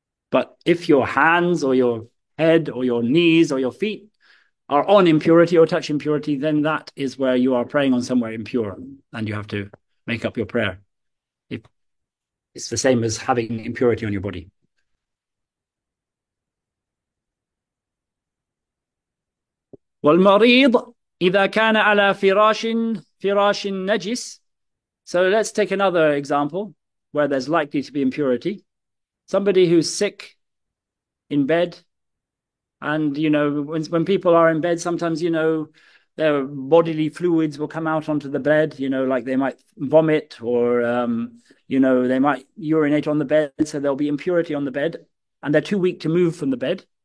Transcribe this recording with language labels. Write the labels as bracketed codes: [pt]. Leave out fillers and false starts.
[en] But if your hands or your head or your knees or your feet are on impurity or touch impurity, then that is where you are praying on somewhere impure and you have to make up your prayer. It's the same as having impurity on your body. [ar] والمريض إذا كان على فراش نجس. [en] So let's take another example where there's likely to be impurity. Somebody who's sick in bed, and you know, when people are in bed, sometimes you know their bodily fluids will come out onto the bed, you know, like they might vomit or you know, they might urinate on the bed, so there'll be impurity on the bed, and they're too weak to move from the bed.